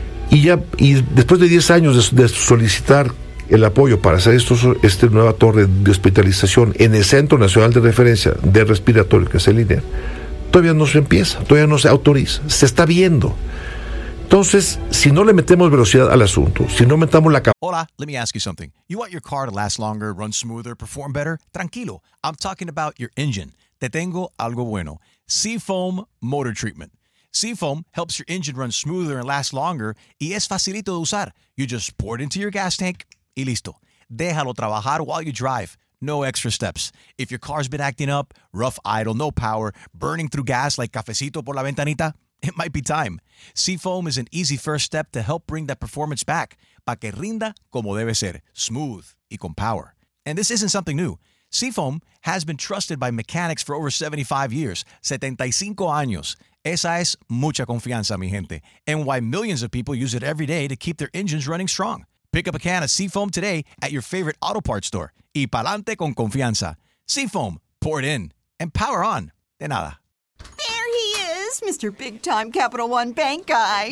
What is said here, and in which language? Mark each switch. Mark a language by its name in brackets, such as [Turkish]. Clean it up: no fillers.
[Spanish] Y después de 10 años de solicitar el apoyo para hacer esta nueva torre de hospitalización en el Centro Nacional de Referencia de Respiratorio, que es el INER, todavía no se empieza, todavía no se autoriza, se está viendo. Entonces, si no le metemos velocidad al asunto, si no aumentamos la capacidad... [English] Hola, let me ask you something. You want your car to last longer, run smoother, perform better? Tranquilo, I'm talking about your engine. [Spanish] Te tengo algo bueno. Seafoam Motor Treatment. [English] Seafoam helps your engine run smoother and last longer, y es facilito de usar. You just pour it into your gas tank, y listo. Déjalo trabajar while you drive. No extra steps. If your car's been acting up, rough idle, no power, burning through gas like cafecito por la ventanita, it might be time. Seafoam is an easy first step to help bring that performance back para que rinda como debe ser, smooth y con power. And this isn't something new. Seafoam has been trusted by mechanics for over 75 years. [Spanish] 75 años. Esa es mucha confianza, mi gente. [English] And why millions of people use it every day to keep their engines running strong. Pick up a can of Seafoam today at your favorite auto parts store. [Spanish] Y pa'lante con confianza. Seafoam. Pour it in. And power on. De nada. [English] There he is, Mr. Big Time Capital One Bank Guy.